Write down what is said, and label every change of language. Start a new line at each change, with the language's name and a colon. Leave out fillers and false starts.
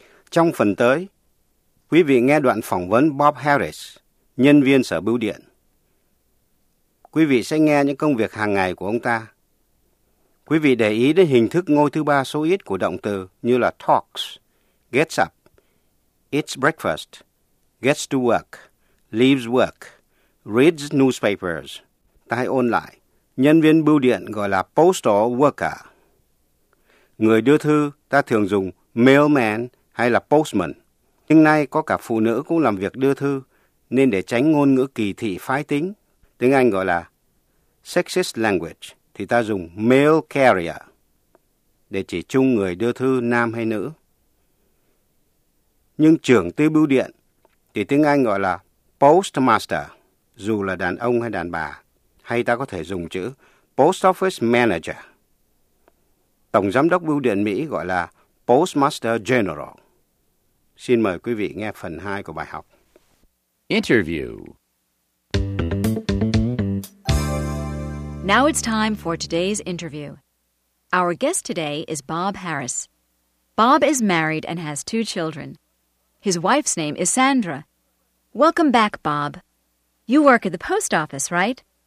Vietnamese: Trong phần tới, quý vị nghe đoạn phỏng vấn Bob Harris, nhân viên sở bưu điện. Quý vị sẽ nghe những công việc hàng ngày của ông ta. Quý vị để ý đến hình thức ngôi thứ ba số ít của động từ như là
English: talks, gets up, eats breakfast, gets to work. Leaves work, reads newspapers.
Vietnamese: Ta hãy ôn lại. Nhân viên bưu điện gọi là postal worker. Người đưa thư, ta thường dùng mailman hay là postman. Nhưng nay có cả phụ nữ cũng làm việc đưa thư, nên để tránh ngôn ngữ kỳ thị phái tính, tiếng Anh gọi là sexist language, thì ta dùng mail carrier để chỉ chung người đưa thư nam hay nữ. Nhưng trưởng tư bưu điện thì tiếng Anh gọi là postmaster, dù là đàn ông hay đàn bà, hay ta có thể dùng chữ post office manager. Tổng giám đốc bưu điện Mỹ gọi là postmaster general. Xin mời quý vị nghe phần 2 của bài học.
English: Interview. Now it's time for today's interview. Our guest today is Bob Harris. Bob is married and has two children. His wife's name is Sandra. Welcome back, Bob. You work at the post office, right?